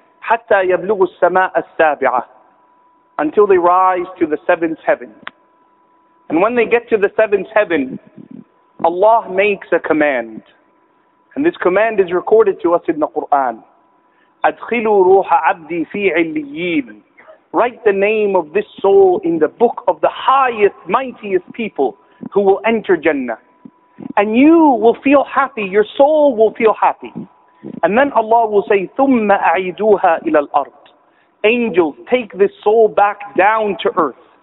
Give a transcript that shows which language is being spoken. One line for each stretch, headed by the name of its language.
Arabic: حتى يبلغ السماء السابعة.
English: Until they rise to the seventh heaven. And when they get to the seventh heaven, Allah makes a command. And this command is recorded to us in the Quran.
Arabic: أدخلوا روح عبدي في عليين.
English: Write the name of this soul in the book of the highest, mightiest people who will enter Jannah. And you will feel happy. Your soul will feel happy. And then Allah will say,
Arabic: ثُمَّ أَعِيدُوهَا إِلَى الْأَرْضِ.
English: Angels, take this soul back down to earth.